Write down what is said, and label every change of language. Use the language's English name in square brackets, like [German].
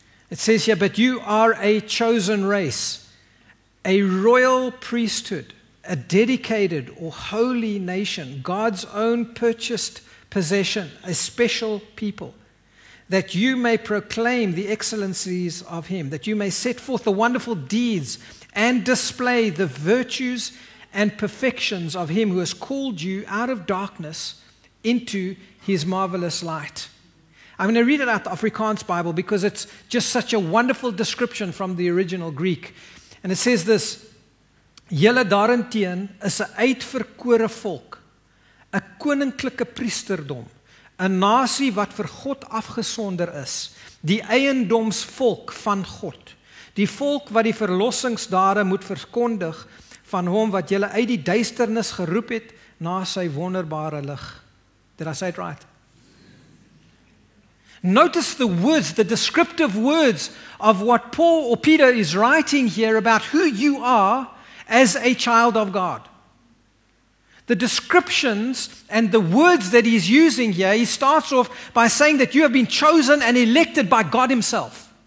[English] It says here, "But you are a chosen race, a royal priesthood, a dedicated or holy nation, God's own purchased possession, a special people, that you may proclaim the excellencies of Him, that you may set forth the wonderful deeds and display the virtues and perfections of Him who has called you out of darkness into His marvelous light." I'm going to read it out of the Afrikaans Bible because it's just such a wonderful description from the original Greek. [Afrikaans] And it says this, "Julle daarenteen is 'n uitverkore volk, 'n koninklike priesterdom, 'n nasie wat vir God afgesonder is, die eiendomsvolk van God, die volk wat die verlossingsdade moet verkondig, van Hom wat julle uit die duisternis geroep het na sy wonderbare lig." [English] Did I say it right? Notice the words, the descriptive words of what Paul or Peter is writing here about who you are as a child of God. The descriptions and the words that he's using here, he starts off by saying that you have been chosen and elected by God Himself.